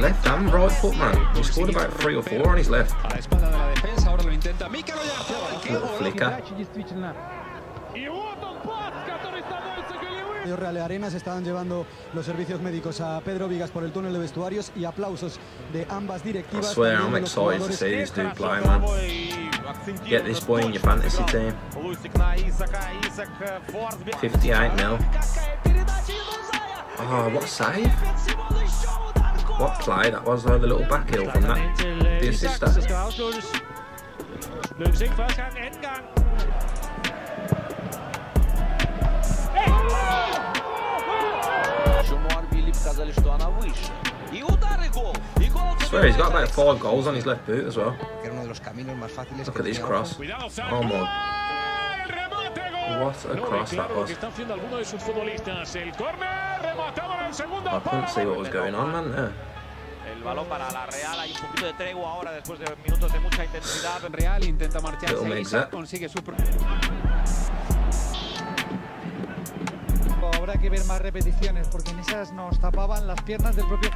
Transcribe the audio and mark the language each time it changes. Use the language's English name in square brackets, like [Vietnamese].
[English] Left and right foot, man. He scored about 3 or 4 on his left. [Spanish] A la espalda de la defensa, ahora lo intenta Mikel Oyarzabal. [English] Little flicker. [Spanish] Y otro pas, que ha estado en el segundo. Estadio Real Arena, se estaban llevando los servicios médicos a Pedro Vigas por el túnel de vestuarios y aplausos de ambas directivas. [English] I swear, I'm excited to see this dude play, man. Get this boy in your fantasy team. [Spanish] 58 mil. [English] Oh, what a save. What play that was, though, the little back heel from that, the assister. I swear he's got about four goals on his left boot as well. Look at this cross. Oh my. What a cross that was. I couldn't see what was going on, man, there. [Spanish] El balón para la Real, hay un poquito de tregua ahora después de minutos de mucha intensidad. Real intenta marcharse, Isak consigue su... Habrá que ver más repeticiones porque en esas nos tapaban las piernas del propio...